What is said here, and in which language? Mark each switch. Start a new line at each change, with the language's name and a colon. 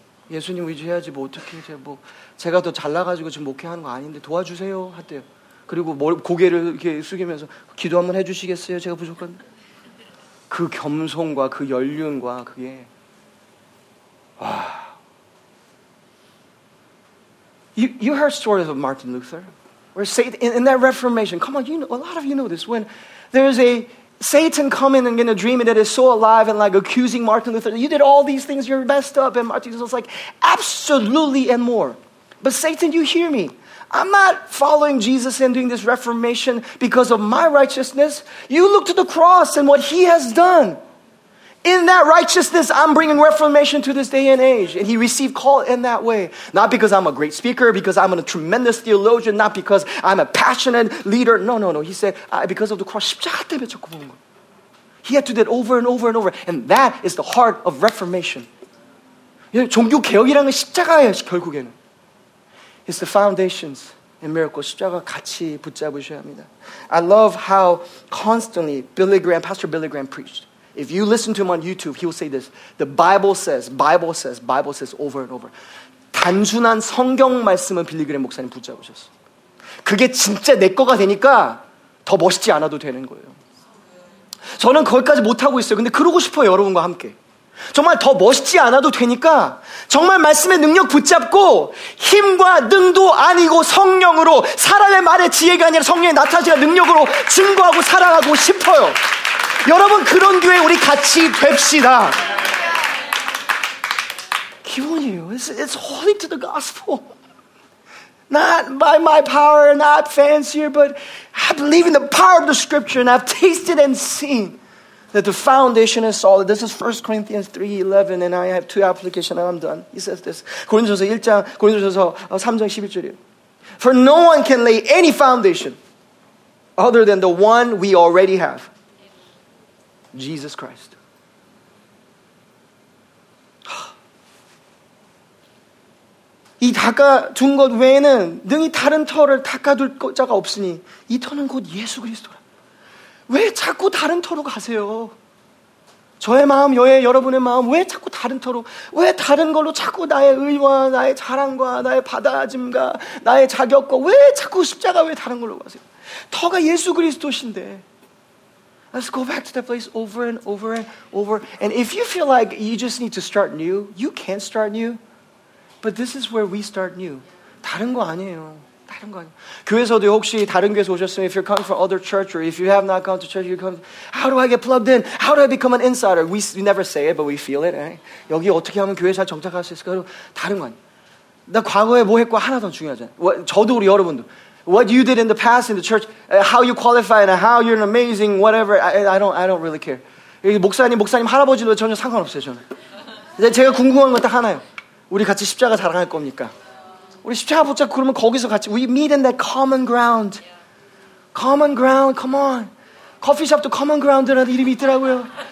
Korean: 예수님 의지해야지 뭐 어떡해. 제가 더 잘나가지고 지금 목회하는 거 아닌데 도와주세요 하대요. 그리고 고개를 이렇게 숙이면서 기도 한번 해주시겠어요? 제가 부족한데. 그 겸손과 그 연륜과 그게 와.
English: You heard stories of Martin Luther? Where Satan, in that Reformation, come on, you know, a lot of you know this, when there's a Satan come in a dream that is so alive and like accusing Martin Luther. You did all these things, you're messed up. And Martin Luther was like, absolutely and more. But Satan, you hear me. I'm not following Jesus and doing this reformation because of my righteousness. You look to the cross and what he has done. In that righteousness, I'm bringing reformation to this day and age. And he received call in that way. Not because I'm a great speaker, because I'm a tremendous theologian, not because I'm a passionate leader. No, no, no. He said, because of the cross,
Korean: 십자가 때문에 자꾸 보는 거.
English: He had to do that over and over and over. And that is the heart of reformation.
Korean: 종교 개혁이라는 건 십자가예요, 결국에는.
English: It's the foundations in miracles.
Korean: 십자가 같이 붙잡으셔야 합니다.
English: I love how constantly Billy Graham, Pastor Billy Graham preached. If you listen to him on YouTube, he will say this. The Bible says, Bible says, Bible says over and over.
Korean: 단순한 성경 말씀은 빌리 그램 목사님 붙잡으셨어. 그게 진짜 내 거가 되니까 더 멋있지 않아도 되는 거예요. 저는 거기까지 못하고 있어요. 근데 그러고 싶어요, 여러분과 함께. 정말 더 멋있지 않아도 되니까 정말 말씀의 능력 붙잡고 힘과 능도 아니고 성령으로 사람의 말의 지혜가 아니라 성령의 나타지가 능력으로 증거하고 살아가고 싶어요. 여러분 그런 교회 우리 같이 됩시다. 기본이에요.
English: It's holding to the gospel. Not by my power, not fancier, but I believe in the power of the scripture and I've tasted and seen that the foundation is solid. This is 1 Corinthians 3:11 and I have two applications and I'm done. He says this.
Korean: 고린도서 1장, 고린도서 3장 11절이에요.
English: For no one can lay any foundation other than the one we already have. Jesus Christ.
Korean: 이 닦아둔 것 외에는 능히 다른 터를 닦아둘 자가 없으니 이 터는 곧 예수 그리스도라. 왜 자꾸 다른 터로 가세요? 저의 마음, 여러분의 마음 왜 자꾸 다른 터로, 왜 다른 걸로 자꾸 나의 의와 나의 자랑과 나의 받아짐과 나의 자격과 왜 자꾸 십자가 왜 다른 걸로 가세요? 터가 예수 그리스도신데.
English: Let's go back to that place over and over and over. And if you feel like you just need to start new, you can start new. But this is where we start new.
Korean: 다른 거 아니에요. 다른 거 아니에요. 교회에서도 혹시 다른 교회에서 오셨으면
English: if you're coming from other church or if you have not come to church, you come, how do I get plugged in? How do I become an insider? We never say it, but we feel it. Right?
Korean: 여기 어떻게 하면 교회에 잘 정착할 수 있을까요? 다른 거 아니에요. 나 과거에 뭐 했고 하나 더 중요하잖아요. 저도 우리 여러분도.
English: What you did in the past in the church, how you qualified and how you're an amazing, whatever, I don't really care.
Korean: 목사님, 목사님, 할아버지도 전혀 상관없어요, 저는. 제가 궁금한 건 딱 하나요. 우리 같이 십자가 자랑할 겁니까? 우리 십자가 붙잡고 그러면 거기서 같이,
English: we meet in that common ground. Common ground, come on.
Korean: 커피숍도 common ground라는 이름이 있더라고요.